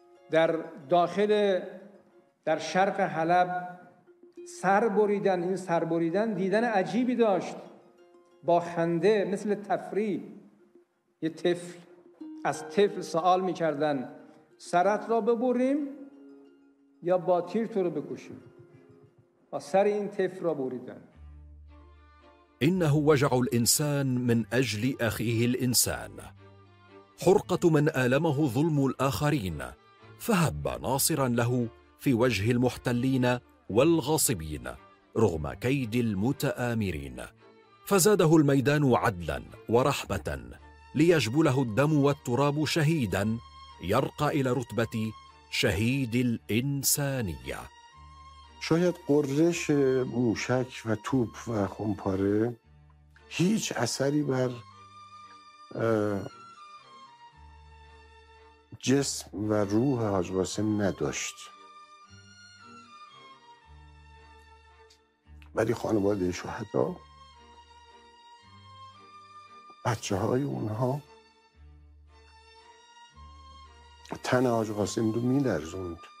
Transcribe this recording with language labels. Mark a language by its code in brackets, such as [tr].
[fa] در داخل در شرق حلب سر بریدن این سر بریدن دیدن عجیبی داشت با خنده مثل تفریح یه طفل از طفل سوال می‌کردن سرت را ببریم یا با تیر تو رو بکشیم با سر این طفل را بریدن [ar] انه وجع الانسان من اجل اخيه الانسان حرقة من آلمه ظلم الآخرين فهب ناصرا له في وجه المحتلين والغاصبين رغم كيد المتآمرين فزاده الميدان عدلا ورحمة ليجبله الدم والتراب شهيدا يرقى إلى رتبة شهيد الإنسانية [fa] شاید قرش موشک و توپ و خمپاره هیچ اثری بر جسم و روح حاج قاسم نداشت ولی خانواده شهدا بچه های اونها تن حاج قاسم رو می لرزوند